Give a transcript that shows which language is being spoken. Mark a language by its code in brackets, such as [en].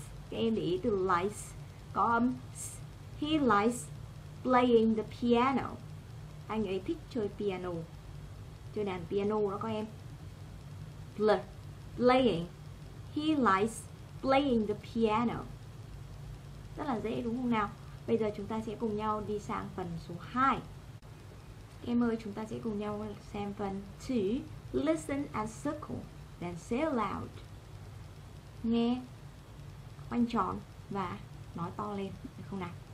[vi] Cái em để ý từ likes có âm s. [en] He likes playing the piano. [vi] Anh ấy thích chơi piano. Chơi đàn piano đó các em. [en] Playing. He likes playing the piano. [vi] Rất là dễ đúng không nào? Bây giờ chúng ta sẽ cùng nhau đi sang phần số 2. Em ơi, chúng ta sẽ cùng nhau xem phần 2. [en] Listen and circle, then say aloud. [vi] Nghe, quanh tròn và nói to lên, được không nào?